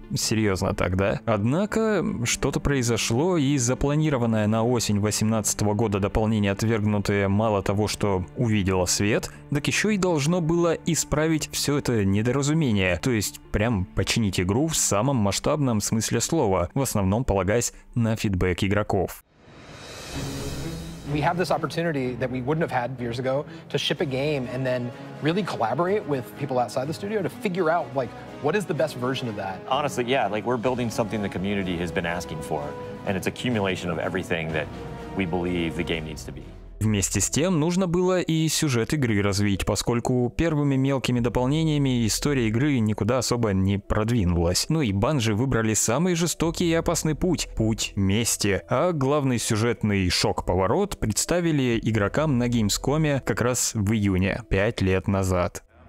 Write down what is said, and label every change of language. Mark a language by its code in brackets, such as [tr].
[ru] Серьезно так, да? Однако, что-то произошло, и запланированное на осень 2018 года дополнение «Отвергнутые» мало того, что увидело свет, так еще и должно было исправить все это недоразумение, то есть прям починить игру в самом масштабном смысле слова, в основном полагаясь на фидбэк игроков. [en] We have this opportunity that we wouldn't have had years ago to ship a game and then really collaborate with people outside the studio to figure out like what is the best version of that. Honestly, yeah, like we're building something the community has been asking for, and it's accumulation of everything that we believe the game needs to be. [ru] Вместе с тем, нужно было и сюжет игры развить, поскольку первыми мелкими дополнениями история игры никуда особо не продвинулась. Ну и Bungie выбрали самый жестокий и опасный путь — путь мести. А главный сюжетный шок-поворот представили игрокам на Gamescom'е как раз в июне, 5 лет назад.